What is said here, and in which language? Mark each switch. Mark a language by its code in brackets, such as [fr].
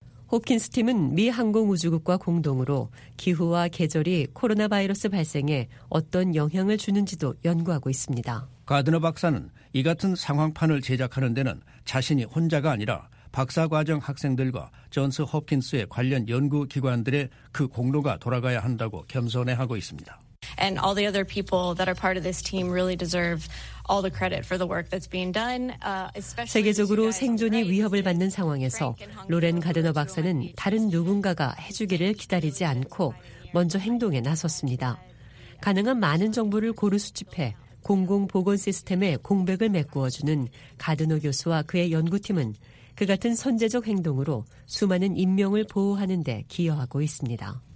[ko] 호킨스 팀은 미 항공우주국과 공동으로 기후와 계절이 코로나 바이러스 발생에 어떤 영향을 주는지도 연구하고 있습니다. 가드너 박사는 이 같은 상황판을 제작하는 데는 자신이 혼자가 아니라 박사과정 학생들과 존스 홉킨스의 관련 연구기관들의 그 공로가 돌아가야 한다고 겸손해하고 있습니다. [en] And all the other people that are part of this team really deserve all the credit for the work that's being done. Especially [ko] 세계적으로 생존이 위협을 받는 상황에서 로렌 가드너 박사는 다른 누군가가 해주기를 기다리지 않고 먼저 행동에 나섰습니다. 가능한 많은 정보를 고루 수집해 공공보건 시스템의 공백을 메꾸어주는 가드너 교수와 그의 연구팀은 그 같은 선제적 행동으로 수많은 인명을 보호하는 데 기여하고 있습니다.